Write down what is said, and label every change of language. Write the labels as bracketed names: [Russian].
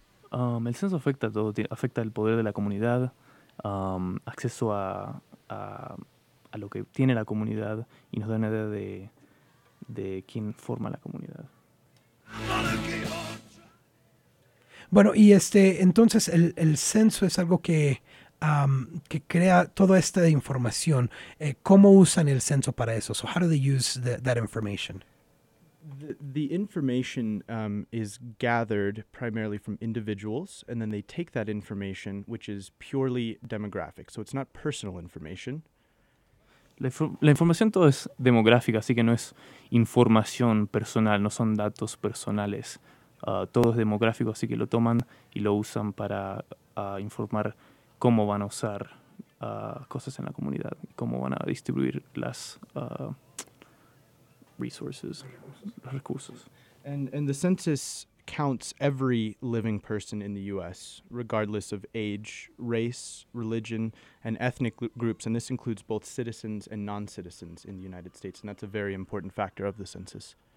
[Spanish] El censo afecta todo, afecta el poder de la comunidad, acceso a lo que tiene la comunidad y nos da una idea de quién forma la comunidad. Bueno, y entonces el censo es algo que crea toda esta información. ¿Cómo usan el censo para eso? [English] So how do they use that information? The information is gathered primarily from individuals, and then they take that information, which is purely demographic. So it's not personal information. [Spanish] La información todo es demográfica, así que no es información personal, no son datos personales. Todo es demográfico, así que lo toman y lo usan para informar cómo van a usar cosas en la comunidad, cómo van a distribuir las resources, los recursos. [English] And the census counts every living person in the U.S., regardless of age, race, religion, and ethnic groups, and this includes both citizens and non-citizens in the United States, and that's a very important factor of the census.